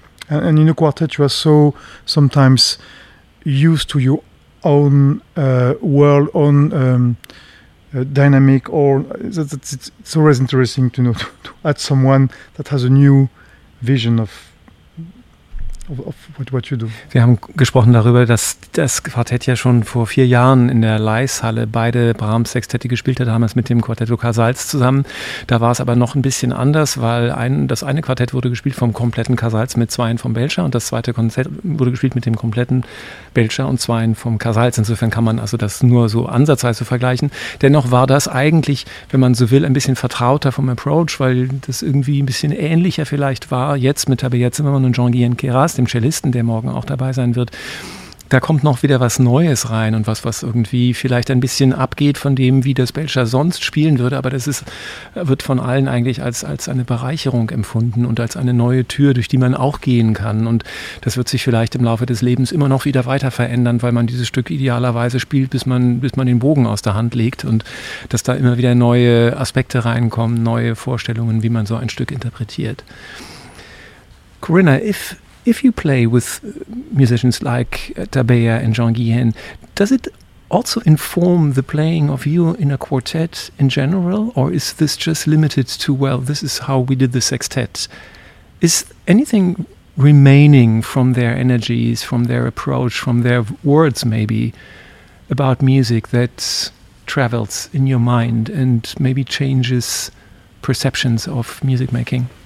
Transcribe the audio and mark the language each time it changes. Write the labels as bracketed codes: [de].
[en] And in a quartet, you are so sometimes used to your own world, own dynamic, or it's always interesting to know to add someone that has a new vision of what you do. [de] Wir haben gesprochen darüber, dass das Quartett ja schon vor 4 Jahren in der Leis-Halle beide Brahms-Sextette gespielt hat, damals mit dem Quartetto Casals zusammen. Da war es aber noch ein bisschen anders, weil das eine Quartett wurde gespielt vom kompletten Casals mit zweien vom Belcher und das zweite Konzert wurde gespielt mit dem kompletten Belcher und zweien vom Casals. Insofern kann man also das nur so ansatzweise vergleichen. Dennoch war das eigentlich, wenn man so will, ein bisschen vertrauter vom Approach, weil das irgendwie ein bisschen ähnlicher vielleicht war jetzt mit Tabellet-Zimmermann und Jean-Guyen Queyras, dem Cellisten, der morgen auch dabei sein wird, da kommt noch wieder was Neues rein und was irgendwie vielleicht ein bisschen abgeht von dem, wie das Belcher sonst spielen würde, aber das wird von allen eigentlich als eine Bereicherung empfunden und als eine neue Tür, durch die man auch gehen kann und das wird sich vielleicht im Laufe des Lebens immer noch wieder weiter verändern, weil man dieses Stück idealerweise spielt, bis man den Bogen aus der Hand legt und dass da immer wieder neue Aspekte reinkommen, neue Vorstellungen, wie man so ein Stück interpretiert. [en] Corinna, if you play with musicians like Tabea and Jean-Guyen, does it also inform the playing of you in a quartet in general, or is this just limited to, well, this is how we did the sextet? Is anything remaining from their energies, from their approach, from their words maybe, about music that travels in your mind and maybe changes perceptions of music making?